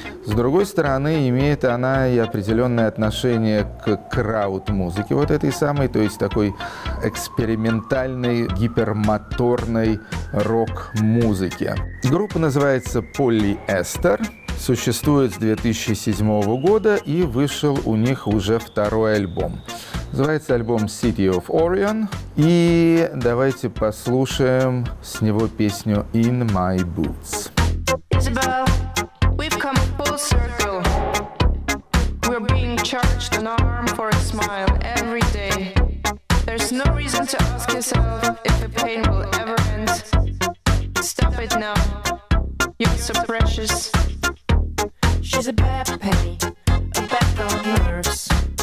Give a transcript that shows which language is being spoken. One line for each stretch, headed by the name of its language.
Russian: С другой стороны, имеет она и определенное отношение к крауд-музыке, вот этой самой, то есть такой экспериментальной, гипермоторной рок-музыке. Группа называется «Полиэстер». Существует с 2007 года и вышел у них уже второй альбом. Называется альбом City of Orion. И давайте послушаем с него песню In My Boots.
English: Isabel, we've come full circle. We're being charged an arm for a smile every day. There's no reason to ask yourself if the pain will ever end. Stop it now. You're so precious. She's a bad penny, a bad girl nurse.